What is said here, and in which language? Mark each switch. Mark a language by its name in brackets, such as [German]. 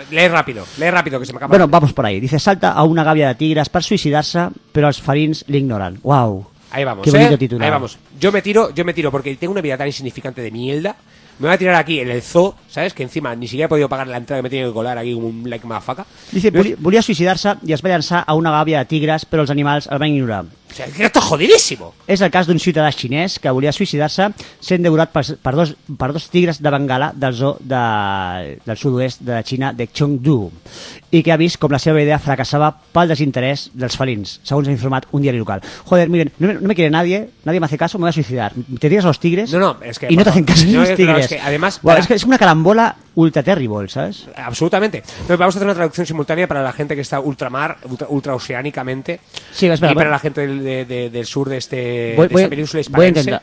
[Spanish] Lee rápido, que se me acaba. Bueno, vamos por ahí. Dice, salta a una gavia de tigras para suicidarse, pero los farins le ignoran. Wow. Ahí vamos, qué bonito título. Ahí vamos. Yo me tiro, porque tengo una vida tan insignificante de mierda. Me voy a tirar aquí en el zoo, ¿sabes? Que encima ni siquiera he podido pagar la entrada, que me tiene que colar aquí como un like mafaca. [Catalan] Dice, volía a suicidarse y es va llançar a una gàbia de tigres, però els animals el van ignorar. [Spanish] O sea, esto es jodidísimo. [Catalan] És el cas d'un ciutadà xinès que volia suicidar-se sent devorat per dos tigres de Bengala del zoo del sud-oest de la Xina, de Chengdu, i que ha vist com la seva idea fracassava pel desinterès dels felins, segons ha informat un diari local. [Spanish] Joder, miren, no me quiere nadie me hace caso, me voy a suicidar. Te tiras a los tigres no, es que, y no te hacen caso a los tigres. No, es que, además, bueno, es que es una carambola ultra terrible, ¿sabes? Absolutamente. Entonces, vamos a hacer una traducción simultánea para la gente que está ultramar, ultraoceánicamente. Sí, es verdad. Y para la gente del sur de esta península hispana.